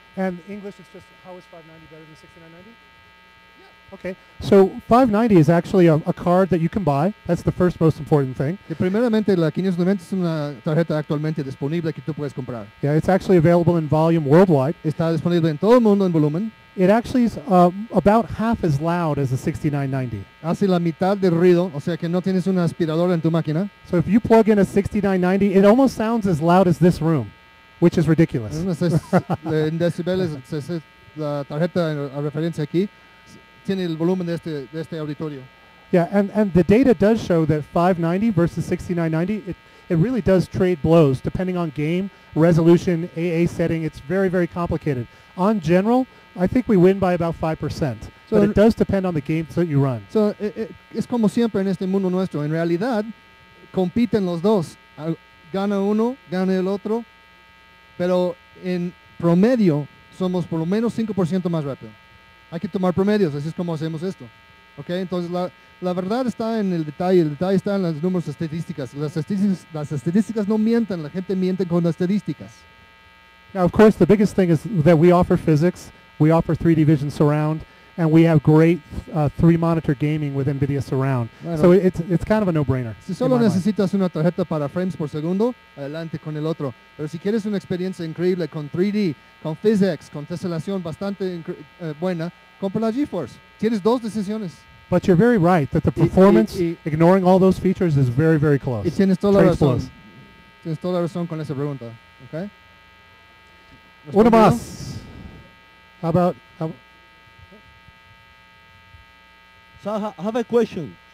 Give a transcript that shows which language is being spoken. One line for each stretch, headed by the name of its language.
English: And English, it's just, how is 590 better than 6990? Yeah. Okay. So 590 is actually a card that you can buy. That's the first most important thing.
Spanish: Primeramente, la 590 es una tarjeta actualmente disponible que tú puedes comprar.
English: Yeah, it's actually available in volume worldwide.
Spanish: Está disponible en todo el mundo en volumen.
English: It actually is about half as loud as a 6990.
Spanish: Hace la mitad de ruido, o sea que no tienes una aspiradora en tu máquina.
English: So if you plug in a 6990, it almost sounds as loud as this room, which is ridiculous.
Spanish: En decibeles, la tarjeta a referencia aquí, tiene el volumen de este auditorio.
English: Yeah, and the data does show that 590 versus 6990, it really does trade blows depending on game, resolution, AA setting. It's very, very complicated. On general, I think we win by about 5%, so but it does depend on the games that you run.
Spanish: So, es como siempre en este mundo nuestro. En realidad, compiten los dos. Gana uno, gana el otro. Pero en promedio, somos por lo menos 5% más rápido. Hay que tomar promedios, así es como hacemos esto. Okay? Entonces, la verdad está en el detalle. El detalle está en los números estadísticas. Las estadísticas no mienten. La gente miente con las estadísticas.
English: Now, of course, the biggest thing is that we offer physics. We offer 3D vision surround, and we have great three monitor gaming with NVIDIA surround.
Spanish: Bueno,
English: so it's kind of a no-brainer.
Spanish: Si solo necesitas una tarjeta para frames por segundo, adelante con el otro. Pero si quieres una experiencia increíble con 3D, con physics, con tesselación bastante buena, compra la GeForce. Tienes dos decisiones.
English: But you're very right that the performance, ignoring all those features, is very, very close.
Spanish: Y tienes toda la razón. Tienes toda la razón con esa pregunta. Okay. Una más.
English: How about? So I have a question.